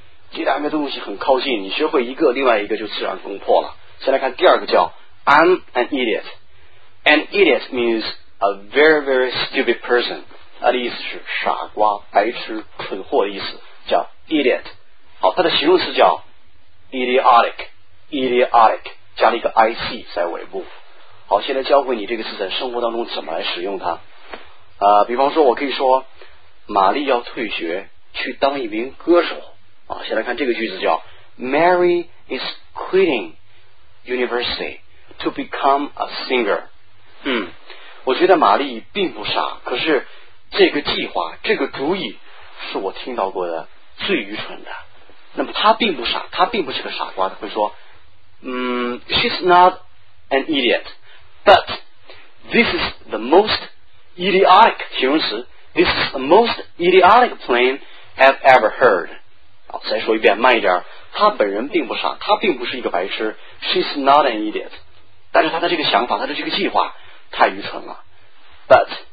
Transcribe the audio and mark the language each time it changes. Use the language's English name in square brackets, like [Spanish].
[Chinese] 这两个东西很靠近，你学会一个，另外一个就自然攻破了。先来看第二个叫 [English] I'm an idiot. An idiot means a very, very stupid person. [Chinese] 它的意思是傻瓜、白痴、蠢货的意思，叫 idiot. 好，它的形容词叫 idiotic. Idiotic 加了一个 ic 在尾部。好，现在教会你这个词在生活当中怎么来使用它。比方说我可以说玛丽要退学去当一名歌手。先来看这个句子叫 [English] Mary is quitting university to become a singer。 [Chinese] 我觉得玛丽并不傻，可是这个计划，这个主意是我听到过的最愚蠢的。那么她并不傻，她并不是个傻瓜，她会说 [English] she's not an idiot。 But this is the most idiotic 形容词 This is the most idiotic plan I've ever heard [Chinese] 好再说一遍慢一点他本人并不傻他并不是一个白痴 [English] She's not an idiot [Chinese] 但是他的这个想法他的这个计划太愚蠢了 [English] But